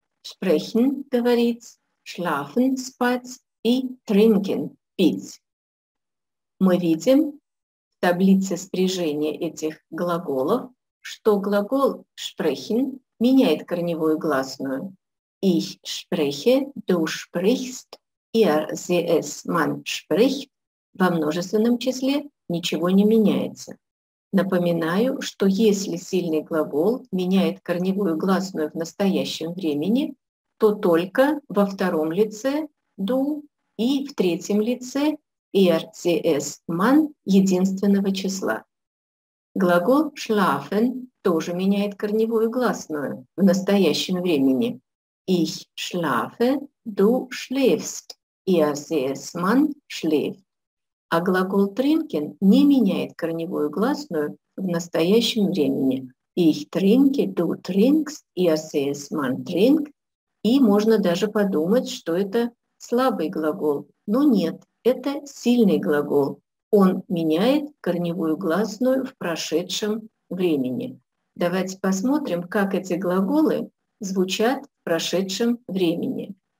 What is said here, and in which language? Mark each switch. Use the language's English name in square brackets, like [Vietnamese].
[Russian] Sprechen – говорить, schlafen – спать и trinken – пить. Мы видим в таблице спряжения этих глаголов, что глагол sprechen меняет корневую гласную. [German] Ich spreche, du sprichst, er, sie, es, man spricht. [Russian] Во множественном числе ничего не меняется. Напоминаю, что если сильный глагол меняет корневую гласную в настоящем времени, то только во втором лице du и в третьем лице er, sie, es, man единственного числа. Глагол schlafen тоже меняет корневую гласную в настоящем времени. [German] Ich schlafe, du schläfst, er, sie, es, man schläft. [Russian] А глагол trinken не меняет корневую гласную в настоящем времени. [German] Ich trinke, du trinkst, er, sie, es, man trinkt. [Russian] И можно даже подумать, что это слабый глагол, но нет, это сильный глагол. Он меняет корневую гласную в прошедшем времени. Давайте посмотрим, как эти глаголы звучат в прошедшем времени.